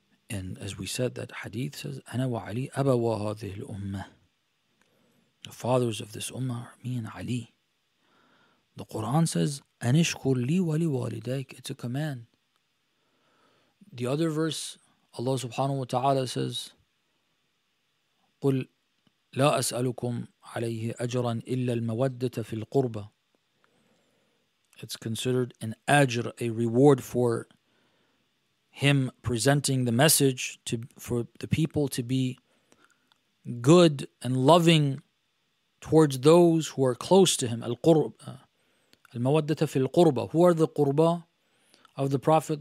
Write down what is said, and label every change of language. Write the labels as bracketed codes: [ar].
[en] And as we said, that hadith says, [ar] أنا وعلي أبوا هذه الأمة. [en] The fathers of this ummah are me and Ali. The Quran says, [ar] أَنِشْكُرْ لِي وَلِوَالِدَيْكَ. [en] It's a command. The other verse, [ar] Allah subhanahu wa ta'ala [en] says, [ar] قُلْ لَا أَسْأَلُكُمْ عَلَيْهِ أَجْرًا إِلَّا الْمَوَدَّةَ فِي الْقُرْبَ. [en] It's considered an ajr, a reward for him presenting the message to for the people to be good and loving towards those who are close to him. Al-Mawaddata fil Qurba. Who are the Qurba of the Prophet?